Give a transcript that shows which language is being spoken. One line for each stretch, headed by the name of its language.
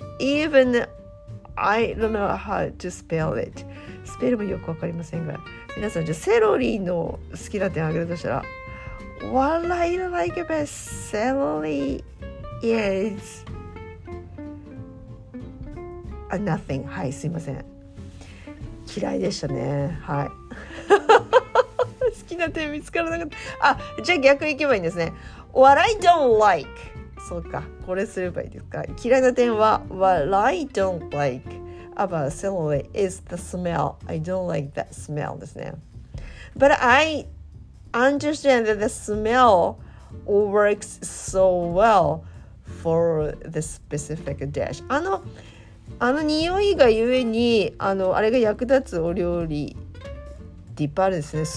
English: Even I don't know how to spell it。
Japanese: スペルもよくわかりませんが。皆さん、じゃあセロリの好きな点を挙げるとしたら、
English: What I like about celery is nothing.
Japanese: はい、すいません、嫌いでしたね、はい。好きな点見つからなかった。じゃあ逆行けばいいんですね。
English: What I don't like、
Japanese: そうか、これすればいいですか。嫌いな点は
English: What I don't likeAbout celery is the smell. I don't like that smell
Japanese: ですね。
English: But I understand that the smell works so well for the specific dish.
Japanese: あの匂いがゆえに、あれが役立つお料理っていっぱいあるですね。